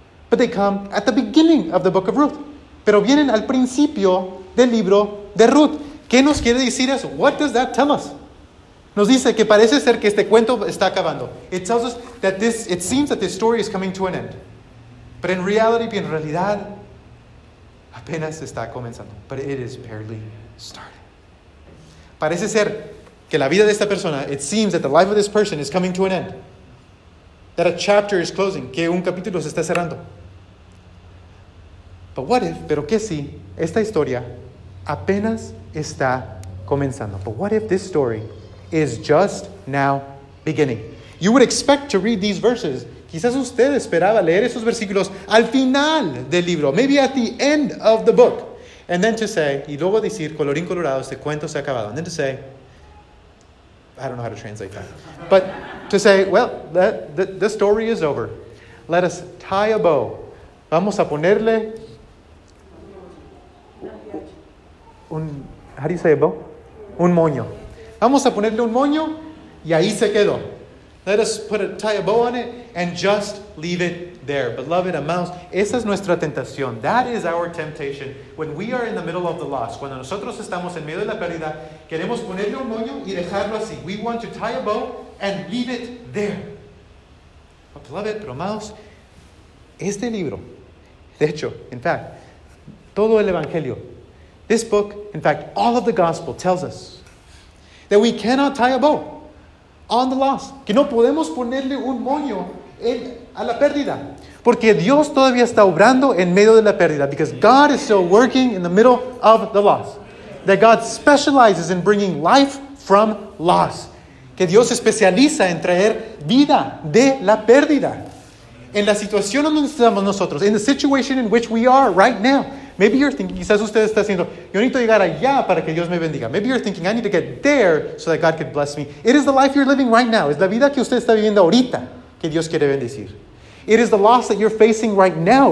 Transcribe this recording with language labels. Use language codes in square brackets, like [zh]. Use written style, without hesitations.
[en] But they come at the beginning of the book of Ruth. [es] Pero vienen al principio del libro de Ruth. ¿Qué nos quiere decir eso? [en] What does that tell us? [es] Nos dice que parece ser que este cuento está acabando. [en] It tells us that it seems that this story is coming to an end. But in reality, [es] en realidad, apenas está comenzando. [en] But it is barely starting. [es] Parece ser que la vida de esta persona, [en] it seems that the life of this person is coming to an end. That a chapter is closing, [es] que un capítulo se está cerrando. [en] But what if, [es] pero qué si, esta historia apenas está comenzando. [en] But what if this story is just now beginning? You would expect to read these verses. [es] Quizás usted esperaba leer esos versículos al final del libro. [en] Maybe at the end of the book. And then to say, [es] y luego decir, colorín colorado, este cuento se ha acabado. [en] And then to say, I don't know how to translate that. But to say, well, the story is over. Let us tie a bow. [es] Vamos a ponerle un, [en] how do you say a bow? [es] Un moño. Vamos a ponerle un moño y ahí se quedó. [en] Let us tie a bow on it and just leave it there. [es] Beloved amados, esa es nuestra tentación. [en] That is our temptation. When we are in the middle of the loss, [es] cuando nosotros estamos en medio de la pérdida, queremos ponerle un moño y dejarlo así. [en] We want to tie a bow and leave it there. But beloved, [es] pero amados, este libro, de hecho, [en] in fact, [es] todo el Evangelio, [en] this book, in fact, all of the gospel tells us that we cannot tie a bow on the loss. [es] Que no podemos ponerle un moño en, a la pérdida. Porque Dios todavía está obrando en medio de la pérdida. [en] Because God is still working in the middle of the loss. That God specializes in bringing life from loss. [es] Que Dios especializa en traer vida de la pérdida. En la situación donde estamos nosotros. [en] In the situation in which we are right now. Maybe you're thinking, [es] quizás usted está diciendo, yo necesito llegar allá para que Dios me bendiga. [en] Maybe you're thinking, I need to get there so that God could bless me. It is the life you're living right now. [es] Es la vida que usted está viviendo ahorita que Dios quiere bendecir. [en] It is the loss that you're facing right now.